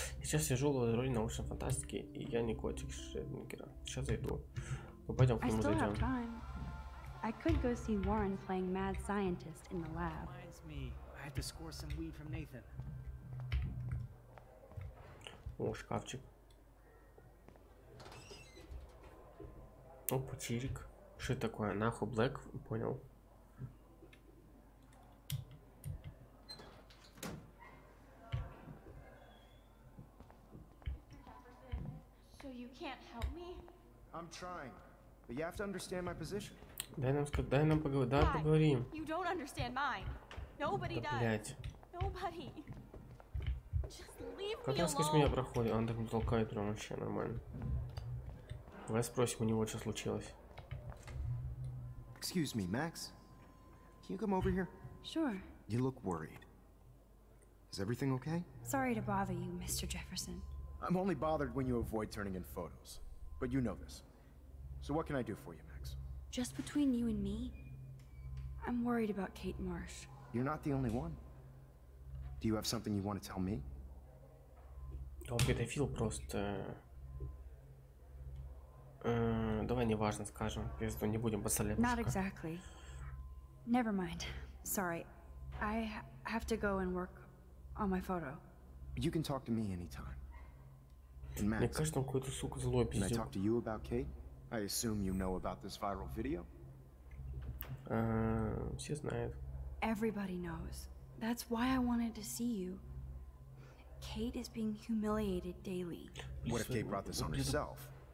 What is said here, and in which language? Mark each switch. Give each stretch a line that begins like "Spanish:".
Russian: Сейчас сижу в роли научной фантастики, и я не котик Шредингера. Сейчас зайду. Мы пойдем к нему зайдем.
English: I could go see Warren playing mad scientist in the lab. Reminds me, I had to score some weed from Nathan.
Russian: О, шкафчик. О, потирик. Что это такое? Нахуй, Блэк? Понял.
English: So you can't help me? I'm trying, but you have to understand my position.
Russian: Дай нам поговорить. Да, поговорим.
English: You don't understand mine. Nobody
Russian: да, блядь.
English: Nobody. Just leave
Russian: как
English: me alone.
Russian: Как раз меня проходит, он так меня толкает прям вообще нормально. Давай спросим у него, что случилось.
English: Excuse me, Max. Can you come over here? Sure. You look worried. Is everything okay? Sorry to bother you, Mr. Jefferson. I'm only bothered when you avoid turning in photos. But you know this. So what can I do for you? Just between you and me, I'm worried about Kate Marsh. You're not the only one. Do you have something you want to tell me? Don't get a feel, just...
Russian: давай неважно скажем, если не будем посолепушка.
English: Not exactly. Never mind. Sorry. I have to go and work on my photo. You can talk to me anytime.
Russian: Мне кажется, он какой-то сука злой пиздец.
English: Can I talk to you about Kate? I assume you know about this viral video?
Russian: Все знают.
English: Everybody knows. That's why I wanted to see you. Kate is being humiliated daily. What if Kate brought this on herself?